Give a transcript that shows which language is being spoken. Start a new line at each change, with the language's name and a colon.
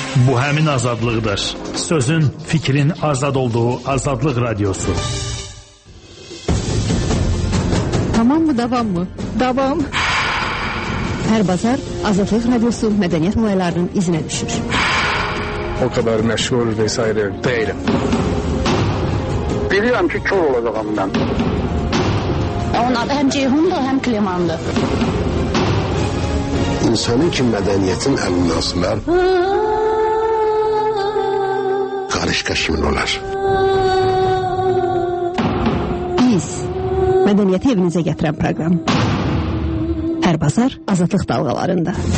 Azerbaijani: Bu həmin azadlıqdır. Sözün, fikrin azad olduğu Azadlıq Radiosu. Tamam mı, davam mı? Davam. Hər bazar Azadlıq Radiosu mədəniyyət müəllərinin izinə düşür. O qədər məşğul və s. deyiləm.
Turkish: Biliyorum ki, kör olacağım ben.
Azerbaijani: Onun adı həm Ceyhundur, həm Klemandır. İnsanın ki, mədəniyyətin əlini azmər, qarışqa kimin olar. Biz, mədəniyyəti evinizə gətirən proqram. Hər bazar azadlıq dalğalarında.